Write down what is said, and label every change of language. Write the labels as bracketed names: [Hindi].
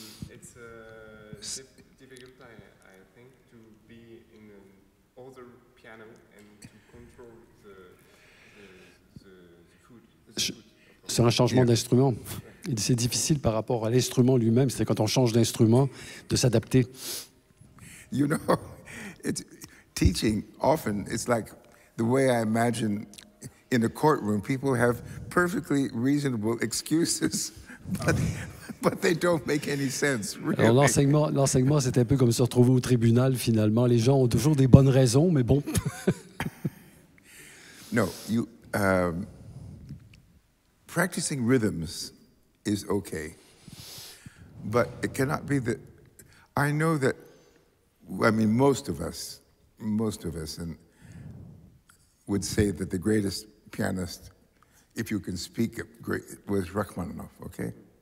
[English] It's a difficult time, I think, to be in an other piano and to control the foot. [French] C'est un changement d'instrument. Il dit, c'est difficile par rapport à l'instrument lui-même, c'est quand on change d'instrument, de s'adapter. [English] You know, it's... Teaching often, it's like the way I imagine in a courtroom, people have perfectly reasonable excuses, but they don't make any sense. Really. [French] Alors, l'enseignement, c'est un peu comme se retrouver au tribunal finalement. Les gens ont toujours des bonnes raisons, mais bon. [English] No, you practicing rhythms is okay, but it cannot be that. I know that. I mean, most of us and would say that the greatest pianist, if you can speak of great, was Rachmaninoff, okay?